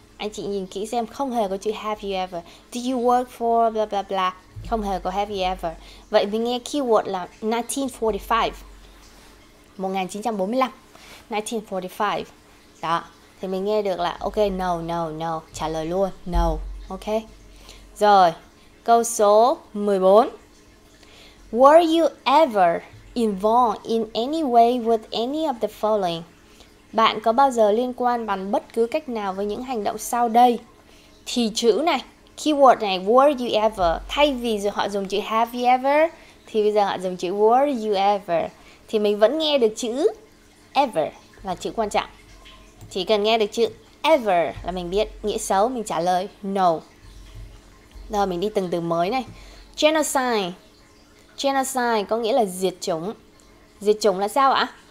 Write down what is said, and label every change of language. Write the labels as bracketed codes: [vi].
[vi] Anh chị nhìn kỹ xem, không hề có chữ [en] have you ever. Did you work for blah blah blah. [vi] Không hề có [en] have you ever. [vi] Vậy mình nghe keyword là 1945. 1945. 1945. Đó, thì mình nghe được là ok, no, no, no, trả lời luôn, no, ok. Rồi, câu số 14. [en] Were you ever involved in any way with any of the following? [vi] Bạn có bao giờ liên quan bằng bất cứ cách nào với những hành động sau đây? Thì chữ này, keyword này, [en] were you ever? [vi] Thay vì họ dùng chữ [en] have you ever, [vi] thì bây giờ họ dùng chữ [en] were you ever. [vi] Thì mình vẫn nghe được chữ ever là chữ quan trọng. Chỉ cần nghe được chữ ever là mình biết nghĩa xấu, mình trả lời no. Rồi mình đi từng từ mới này. Genocide. Genocide có nghĩa là diệt chủng. Diệt chủng là sao ạ?